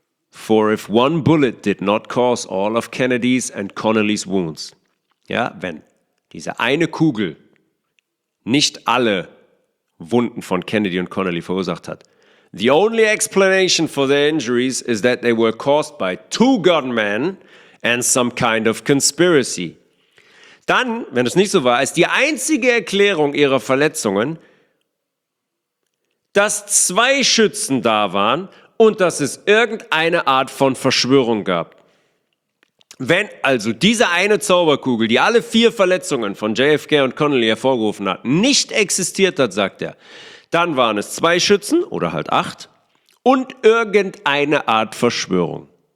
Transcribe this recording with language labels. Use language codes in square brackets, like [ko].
[en] For if one bullet did not cause all of Kennedy's and Connally's wounds. [de] Ja, wenn diese eine Kugel nicht alle Wunden von Kennedy und Connally verursacht hat. [en] The only explanation for their injuries is that they were caused by two gunmen and some kind of conspiracy. [de] Dann, wenn es nicht so war, ist die einzige Erklärung ihrer Verletzungen, dass zwei Schützen da waren und dass es irgendeine Art von Verschwörung gab. Wenn also diese eine Zauberkugel, die alle vier Verletzungen von JFK und Connally hervorgerufen hat, nicht existiert hat, sagt er, dann waren es zwei Schützen oder halt acht und irgendeine Art Verschwörung.